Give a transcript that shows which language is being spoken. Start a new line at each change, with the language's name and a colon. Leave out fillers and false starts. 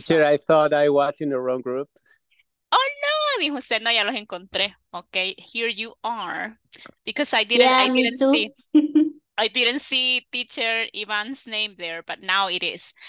English: Teacher, I thought I was in the wrong group.
Spanish: Oh, no, dijo usted, no, ya los encontré.
English: Okay, here you are. Because I didn't see teacher Ivan's name there, but now it is.